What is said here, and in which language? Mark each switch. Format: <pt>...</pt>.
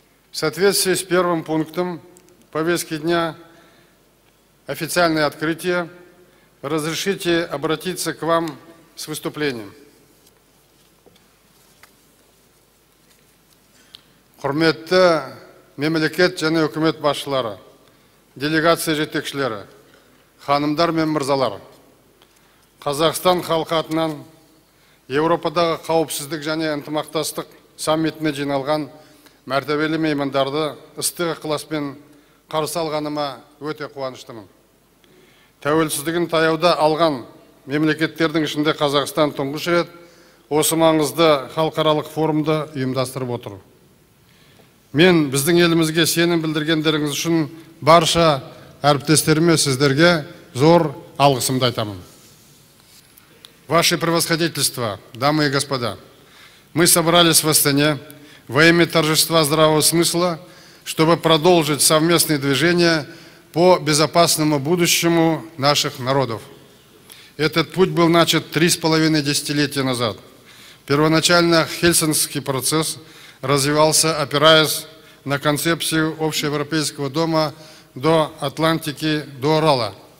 <ru>В соответствии с первым пунктом повестки дня официальное открытие, разрешите обратиться к вам с выступлением.</ru> <kk>Құрметті мемлекет және үкімет басшылары, делегация жетекшілері, ханымдар мен мырзалар, Қазақстан халқы атынан Еуропадағы қауіпсіздік және ынтымақтастық саммитіне жиналған мәртебелі меймандарды ыстық ықыласпен қарсы алғаныма өте қуаныштымын. Тәуелсіздігін таяуда алған мемлекеттердің ішінде Қазақстан тұңғыш рет осы маңызды халықаралық форумды ұйымдастырып отыр. Мен біздің елімізге сенім білдіргендеріңіз үшін барша әріптестеріме сіздерге зор алғысымды айтамын.</kk> <ru>Ваше превосходительство, дамы и господа, мы собрались в Астане во имя торжества здравого смысла, чтобы продолжить совместные движения по безопасному будущему наших народов. Этот путь был начат 3,5 десятилетия назад. Первоначально Хельсинкский процесс развивался, опираясь на концепцию Общеевропейского дома до Атлантики, до Урала.</ru>